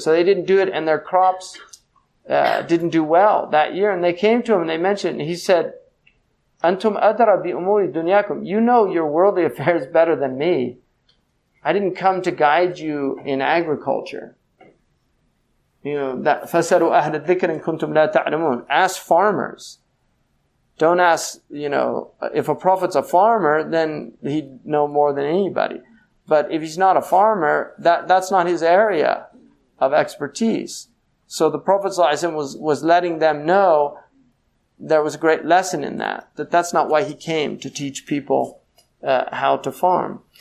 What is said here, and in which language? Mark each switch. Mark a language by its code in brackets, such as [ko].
[en] So they didn't do it, and their crops didn't do well that year. And they came to him, and they mentioned, and he said, [ar] "Antum adra bi umuri dunyakum. [en] You know your worldly affairs better than me. I didn't come to guide you in agriculture. You know, that [ar] فَسَرُوا أَهْلَ الذِّكْرِ إِن كُنْتُمْ لَا تَعْلَمُونَ. [en] Ask farmers. Don't ask, you know, if a prophet's a farmer, then he'd know more than anybody. But if he's not a farmer, that's not his area of expertise. So the Prophet ﷺ was letting them know there was a great lesson in that, that that's not why he came to teach people how to farm.